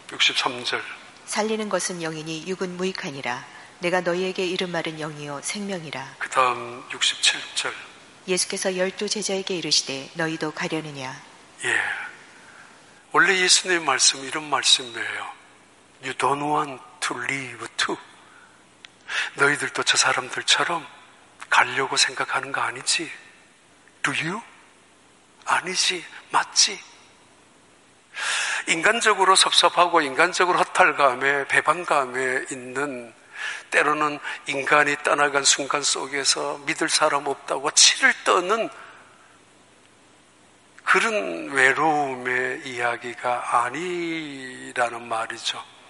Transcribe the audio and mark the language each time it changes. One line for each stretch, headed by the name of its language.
Korean: 63절 살리는 것은 영이니 육은 무익하니라. 내가 너희에게 이른 말은 영이요 생명이라. 그 다음 67절 예수께서 열두 제자에게 이르시되 너희도 가려느냐. 예, 원래 예수님의 말씀 이런 말씀이에요.
English: You don't want to leave too.
Korean: 너희들도 저 사람들처럼 가려고 생각하는 거 아니지?
English: Do you?
Korean: 아니지? 맞지? 인간적으로 섭섭하고 인간적으로 허탈감에 배반감에 있는, 때로는 인간이 떠나간 순간 속에서 믿을 사람 없다고 치를 떠는 그런 외로움의 이야기가 아니라는 말이죠.